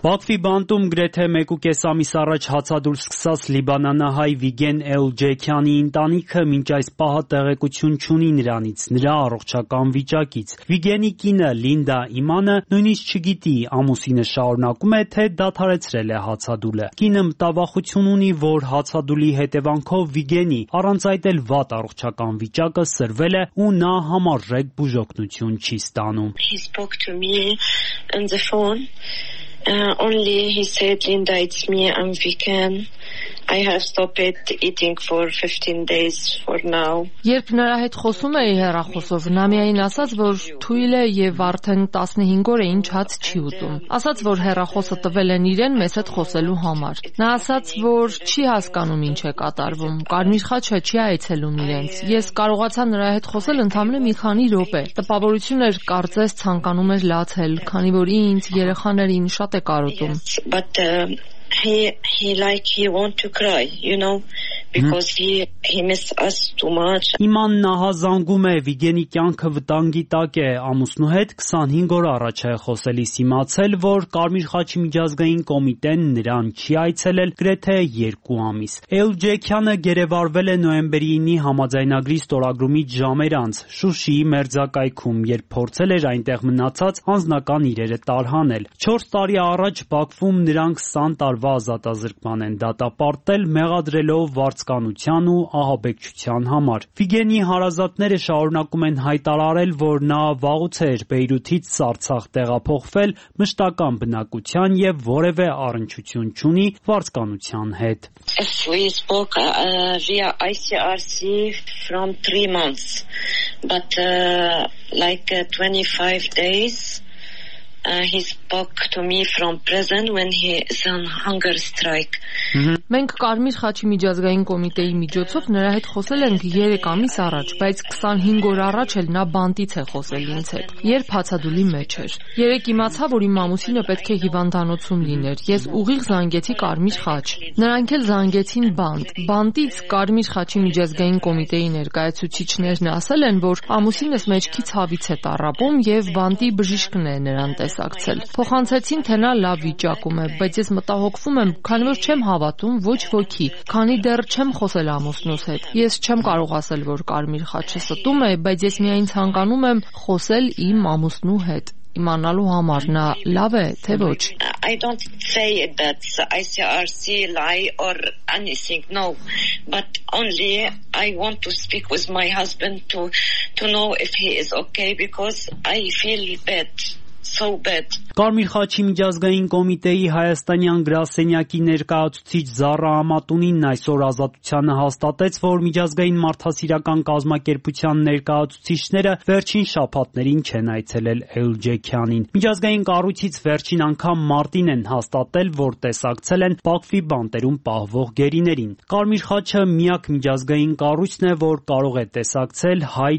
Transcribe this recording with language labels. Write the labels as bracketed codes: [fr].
[hy] Բաքվի բանտում գրեթե 1.5 ամիս առաջ հացադուլ սկսած Լիբանանահայ Վիգեն Էլջեքյանի ընտանիքը մինչ այս պահը տեղեկություն չունի նրանից, նրա առողջական վիճակից։ Վիգենի կինը Լինդա Իմանը նույնիսկ չգիտի, ամուսինը շարունակում է, թե դադարեցրել է հացադուլը։ Կինը մտավախություն ունի, որ հացադուլի հետևանքով Վիգենի առանց այդ էլ վատ առողջական վիճակը սրվել է ու նա համարժեք բուժօգնություն չի ստանում։ [en] He spoke to me on the phone. Only he said, Linda, it's me, I'm Viken. I have stopped eating for 15 days for now. [hy] Երբ նրա հետ խոսում էի հեռախոսով, նա միայն ասաց, որ թույլ է եւ արդեն 15 օր է ինչ հաց չի ուտում։ Ասաց, որ հեռախոսը տվել են իրեն մեզ հետ խոսելու համար։ Նա ասաց, որ չի հասկանում ինչ է կատարվում։ Կարմիր խաչը չի այցելում իրենց։ Ես կարողացա նրա հետ խոսել ընդամենը մի քանի րոպե։ Տպավորություն էր, կարծես ցանկանում էր լացել, քանի որ ինձ երեխաներին շատ է կարոտում։ [en] He like he want to cry, you know, because he miss us too much. [hy] Իման նահազանգում է, Վիգենի կյանքը վտանգի տակ է, ամուսնու հետ 25 օր առաջ է խոսելիս իմացել, որ Կարմիր խաչի միջազգային կոմիտեն նրան չի այցելել գրեթե 2 ամիս։ Էլջեքյանը գերեվարվել է նոյեմբերի 9-ի համաձայնագրի ստորագրումից ժամեր անց Շուշիի մերձակայքում, երբ փորձել էր այնտեղ մնացած անձնական իրերը տարհանել։ 4 տարի առաջ Բաքվում նրանք 20 տարվա ազատազրկման են դատապարտել մեղադրելով վարձկանության ու ահաբեկչության համար։ Վիգենի հարազատները շարունակում են հայտարարել, որ նա վաղուց էր Բեյրութից Սարցախ տեղափոխվել մշտական բնակության եւ որևէ առնչություն չունի վարձկանության հետ։ [en] We spoke via ICRC from 3 months, but like 25 days. He spoke to me from prison when he is on hunger strike. [hy] Մենք Կարմիր խաչի միջազգային կոմիտեի միջոցով նրա հետ խոսել ենք 3 ամիս առաջ, բայց 25 օր առաջ էլ նա բանտից է խոսել ինձ հետ, երբ հացադուլի մեջ էր։ Երեկ իմացա, որ իմ ամուսինը պետք է հիվանդանոցում լիներ։ Ես ուղիղ զանգեցի Կարմիր խաչ։ Նրանք էլ զանգեցին բանտ։ Բանտից Կարմիր խաչի միջազգային կոմիտեի ներկայացուցիչներն ասել են, որ ամուսինս մեջքից հավից է տարապում եւ բանտի բժիշկն է նրան տեսակցել։ Փոխանցեցին, թե նա լավ վիճակում է, բայց ես մտահոգվում եմ, քանի որ չեմ հավատում ոչ ոքի, քանի դեռ չեմ խոսել ամուսնուս հետ։ Ես չեմ կարող ասել, որ Կարմիր խաչը ստում է, բայց ես միայն ցանկանում եմ խոսել իմ ամուսնու հետ, իմանալու համար նա լավ է, թե ոչ։ [en] I don't say that ICRC lie or anything, no, but only I want to speak with my husband to know if he is okay, because I feel bad. [hy] Կարմիր խաչի միջազգային կոմիտեի հայաստանյան գրասենյակի ներկայացուցիչ Զառա Ամատունին այսօր ազատությանը հաստատեց, որ միջազգային մարդասիրական կազմակերպության ներկայացուցիչները վերջին շաբաթներին չեն այցելել Էլջեքյանին։ Միջազգային կառույցից վերջին անգամ մարտին են հաստատել, որ տեսակցել են Բաքվի բանտերում պահվող գերիներին։ Կարմիր խաչը միակ միջազգային կառույցն է, որ կարող է տեսակցել հայ